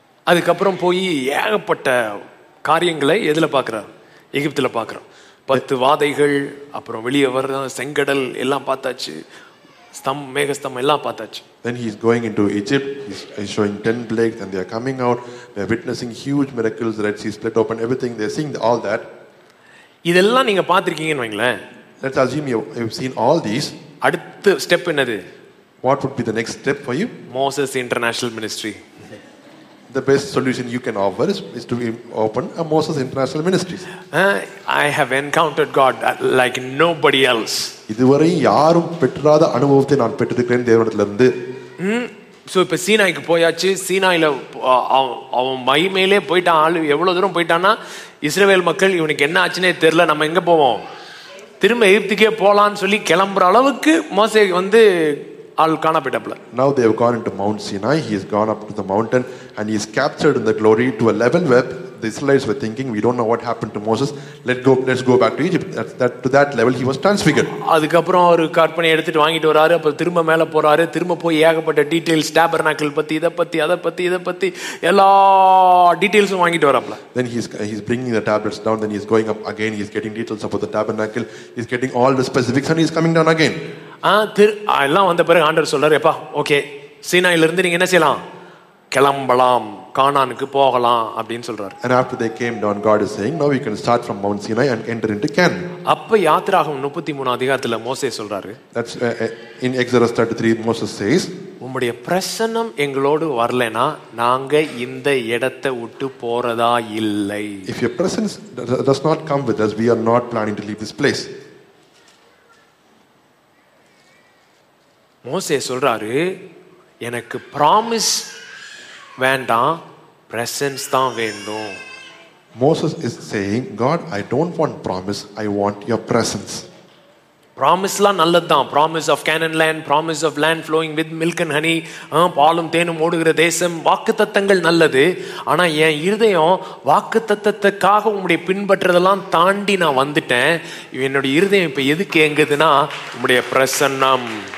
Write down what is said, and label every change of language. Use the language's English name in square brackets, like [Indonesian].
[Tamil] அதுக்கப்புறம் போய் ஏகப்பட்ட காரியங்களை எதில் பார்க்குறார்? எகிப்தில் பார்க்குறோம். 10 வாதைகள், அப்புறம் வெளியே வர்ற செங்கடல் எல்லாம் பார்த்தாச்சு. [English] Then he is going into Egypt. He is showing 10 plagues and they are coming out. They are witnessing huge miracles. Red Sea split open, everything. They are seeing all that. [Tamil] இதெல்லாம் நீங்க பாத்திருக்கீங்கன்னு வைங்களேன். [English] Let's assume you've seen all these. [Tamil] அடுத்த step என்னது? [English] What would be the next step for you? Moses International Ministry. The best solution you can offer is to open a Moses International Ministry. I have encountered God like nobody else. [Tamil] இதுவரை யாரும் பெற்றாத அனுபவத்தை நான் பெற்றிருக்கேன் தேவனிடத்தில் இருந்து. So இப்ப சீனாய்க்கு போயாச்சு. சீனாயில அவன் மகிமையிலே போயிட்டான். ஆளு எவ்வளவு தூரம் போயிட்டான்னா இஸ்ரேல் மக்கள் இவனுக்கு என்ன ஆச்சுன்னே தெரியல, நம்ம எங்க போவோம், திரும்ப எகிப்துக்கே போலான்னு சொல்லி கிளம்புற அளவுக்கு மோசே வந்து. [English] Now they have gone into Mount Sinai. He has gone up to the mountain and he is captured in the glory to a level where the Israelites were thinking, we don't know what happened to Moses. Let's go back to Egypt. To that level he was transfigured. [Tamil] அதுக்கப்புறம் ஒரு கற்பனை எடுத்துட்டு வாங்கிட்டு வராரு. அப்ப திரும்ப மேல போறாரு. திரும்ப போய் ஏகப்பட்ட டீடைல்ஸ், டேபர்னாக்கள் பத்தி, இதை பத்தி, அதை பத்தி, இதை பத்தி எல்லா டீடைல்ஸும் வாங்கிட்டு வராப்ல. [English] Then he's bringing the tablets down. Then he's going up again. He's getting details about the tabernacle. He's getting all the specifics and he's coming down again. [Tamil] எல்லாம் வந்த பிறகு ஆண்டவர் சொல்றாரு, எப்பா ஓகே சீனாயில இருந்து நீங்க என்ன செய்யலாம், கிளம்பலாம், கானானுக்கு போகலாம் அப்படினு சொல்றாரு. [English] And after they came down, God is saying, now we can start from Mount Sinai and enter into Canaan. [Tamil] அப்ப யாத்திராகம் 33 அதிகாரத்துல மோசே சொல்றாரு, [English] that's in Exodus 33 Moses says, [Tamil] உம்முடைய பிரசன்னம் எங்களோடு வரலனா நாங்க இந்த இடத்தை விட்டு போறதா இல்லை. [English] If your presence does not come with us, we are not planning to leave this place. [Tamil] மோசே சொல்றாரு, எனக்கு ப்ராமிஸ் வேண்டாம், பிரசன்ஸ் தான் வேண்டும். [English] Moses is saying, God, I don't want promise, I want your presence. [Tamil] ப்ராமிஸ்லாம் நல்லதுதான், [English] promise of Canaan land, promise of land flowing with milk and honey, [Tamil] பாலும் தேனும் ஓடுகிற தேசம், வாக்குத்தத்தங்கள் நல்லது. ஆனா என் இருதயம் வாக்குத்தத்தத்துக்காக உங்களுடைய பின்பற்றதெல்லாம் தாண்டி நான் வந்துட்டேன். என்னுடைய இருதயம் இப்ப எதுக்கு ஏங்குதுன்னா உங்களுடைய பிரசன்னம்.